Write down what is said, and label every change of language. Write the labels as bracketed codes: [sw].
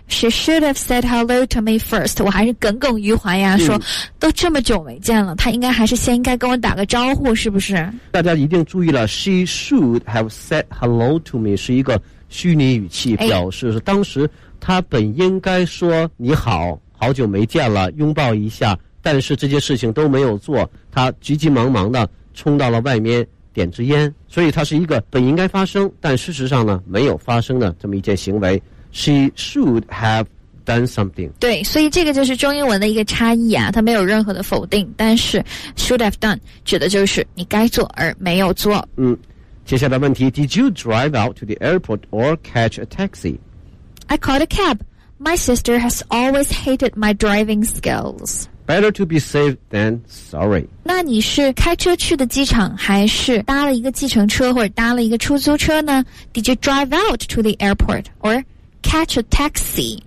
[en] She should have said hello to me first. [zh] 我还是耿耿于怀呀，说都这么久没见了，她应该还是先应该跟我打个招呼，是不是？大家一定注意了 ， [en] She should have said hello to me [zh] 是一个虚拟语气，表示是当时她本应该说你好，好久没见了，拥抱一下。但是这些事情都没有做，她急急忙忙的冲到了外面。点支烟，所以它是一个本应该发生但事实上呢没有发生的这么一件行为。 [en] She should have done something。 [zh] 对，所以这个就是中英文的一个差异啊，它没有任何的否定，但是 [en] should have done [zh] 指的就是你该做而没有做。嗯，接下来问题， [en] Did you drive out to the airport or catch a taxi? I caught a cab. My sister has always hated my driving skills. Better to be safe than sorry. [zh] 那你是开车去的机场还是搭了一个计程车或者搭了一个出租车呢？ [en] Did you drive out to the airport or catch a taxi?